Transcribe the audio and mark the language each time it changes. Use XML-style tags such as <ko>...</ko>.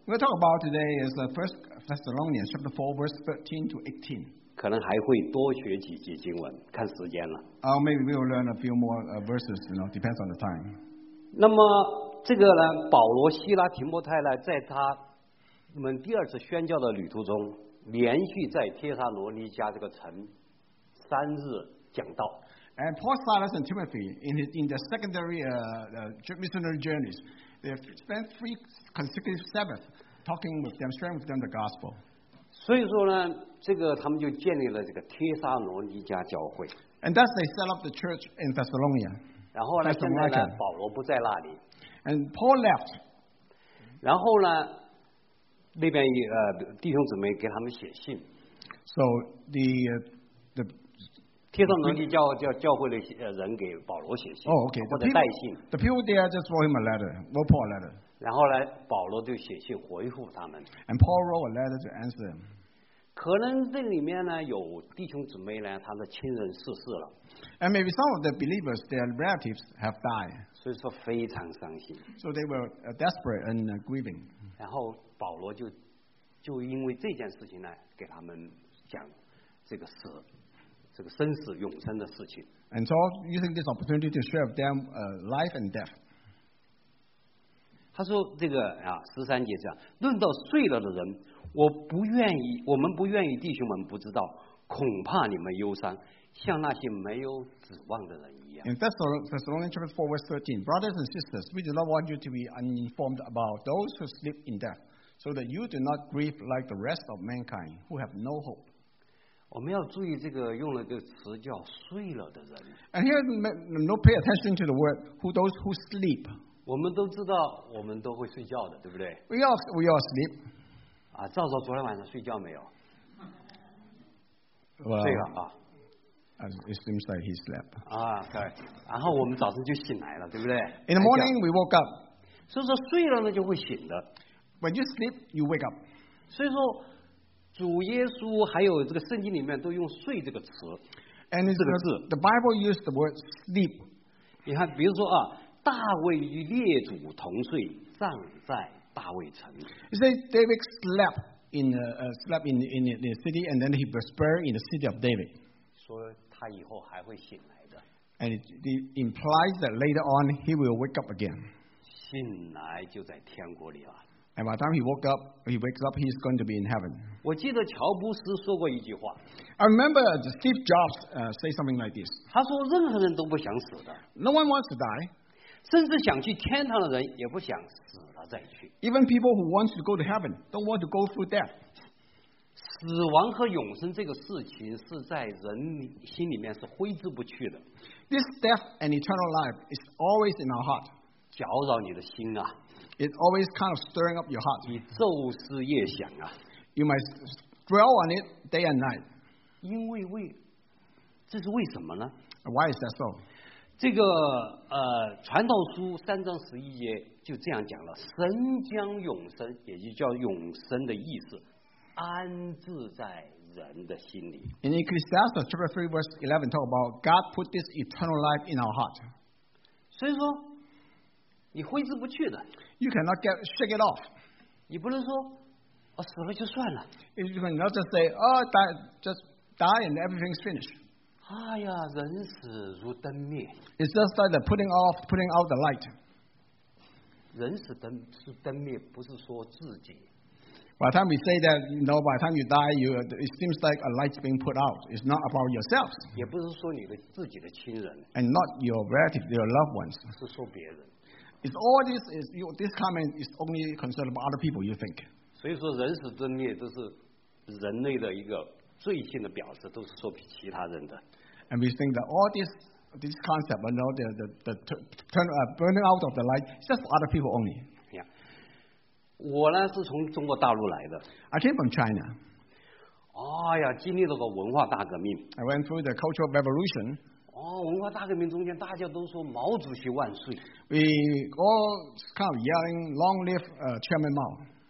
<en>We talk about today is the first Thessalonians chapter 4 verse 13 to 18.</en> <zh>可能还会多学几节经文，看时间了。</zh> <en>Maybe we will learn a few more verses. You know, depends on the time.</en> <zh>那么这个呢，保罗、希拉、提摩太呢，在他们第二次宣教的旅途中，连续在帖撒罗尼迦这个城三日讲道。</zh> <en>And Paul, Silas, and Timothy in the secondary missionary journeys, they spent three consecutive Sabbaths talking with them, sharing with them the gospel.</en> <zh>所以说呢，这个他们就建立了这个帖撒罗尼迦教会。</zh> <en>And thus they set up the church in Thessalonica.</en> <zh>然后呢，现在呢，保罗不在那里。</zh> <en>And Paul left.</en> <zh>然后呢，那边弟兄姊妹给他们写信。</zh> <en>So the</en> <zh>帖撒罗尼迦教会的人给保罗写信。</zh> <en>Oh, okay.</en> <zh>或者带信。</zh> <en>The people there just wrote him a letter, wrote Paul a letter.</en> <zh>然后呢，保罗就写信回复他们。</zh> <en>And Paul wrote a letter to answer them.</en> <zh>可能这里面呢，有弟兄姊妹呢，他的亲人逝世了。</zh> <en>And maybe some of the believers, their relatives have died.</en> <zh>所以说非常伤心。</zh> <en>So they were desperate and grieving.</en> <zh>然后保罗就因为这件事情呢，给他们讲这个死，这个生死永生的事情。</zh> <en>And so using this opportunity to share with them life and death.</en> <zh>他说这个啊，十三节这样，论到睡了的人，我不愿意，我们不愿意，弟兄们不知道，恐怕你们忧伤。像那些没有指望的人一样。</zh> <en>In Thessalonians chapter 4 verse 13, brothers and sisters, we do not want you to be uninformed about those who sleep in death, so that you do not grieve like the rest of mankind who have no hope.</en> <zh>我们要注意这个用了个词叫睡了的人。</zh> <en>And here, no pay attention to the word who those who sleep.</en> <zh>我们都知道，我们都会睡觉的，对不对</zh> <en>？We all sleep.</en> <zh>啊，赵赵昨天晚上睡觉没有？</zh> <en>Well,</en> <zh>睡了啊。</zh> <en>It seems like he slept.</en> <zh>啊，对。然后我们早晨就醒来了，对不对</zh> <en>？In the morning we woke up.</en> <zh>所以说睡了呢就会醒的。</zh> <en>When you sleep, you wake up.</en> <zh>所以说主耶稣还有这个圣经里面都用睡这个词。</zh> <en>And it's</en> <zh>这个字</zh> <en>，the Bible used the word sleep.</en> <zh>你看，比如说啊，大卫与列祖同睡，葬在大卫城。</zh> <en>You say David slept in the city, and then he was buried in the city of David.</en> <zh>说他以后还会醒来的。</zh> <en>And it implies that later on he will wake up again.</en> <zh>醒来就在天国里了。</zh> <en>And by the time he wakes up, he's going to be in heaven.</en> <zh>我记得乔布斯说过一句话。</zh> <en>I remember Steve Jobs say something like this.</en> <zh>他说任何人都不想死的。</zh> <en>No one wants to die.</en> <zh>甚至想去天堂的人也不想死的。再去。</zh> <en>Even people who want to go to heaven don't want to go through death.</en> <zh>死亡和永生这个事情是在人心里面是挥之不去的。</zh> <en>This death and eternal life is always in our heart.</en> <zh>搅扰你的心啊。</zh> <en>It's always kind of stirring up your heart.</en> <zh>你昼思夜想啊。</zh> <en>You might dwell on it day and night.</en> <zh>因为这是为什么呢？</zh> <en>Why is that so?</en> <zh>这个传道书三章十一节就这样讲了，神将永生，也就叫永生的意思，安置在人的心里。</zh> <en>In Ecclesiastes chapter 3 verse 11 talk about God put this eternal life in our heart.</en> <zh>所以说你挥之不去的。</zh> <en>You cannot shake it off.</en> <zh>你不能说死了就算了。</zh> <en>You cannot just say, oh, just die and everything's finished.</en> <zh>哎呀，人死如灯灭。</zh> <en>It's just like the putting out the light.</en> <zh>人死是灯灭，不是说自己。</zh> <en>By the time we say that, you know, by the time you die, it seems like a light's being put out. It's not about yourself.</en> <zh>也不是说你的自己的亲人。</zh> <en>And not your relatives, your loved ones.</en> <zh>是说别人。</zh> <en>It's all this is this comment is only concerned about other people. You think?</en> <zh>所以说人死灯灭都是人类的一个。罪性的表示都是说给其他人的。</zh> <en>And we think that all this concept, you know, the burning out of the light, is just for other people only. Yeah.</en> <zh>我呢是从中国大陆来的。</zh> <en>I came from China.</en> <zh>哎呀，经历了个文化大革命。</zh> <en>I went through the Cultural Revolution.</en> <zh>哦，文化大革命中间大家都说毛主席万岁。</zh> <en>We all kind of yelling, "Long live Chairman Mao."</en>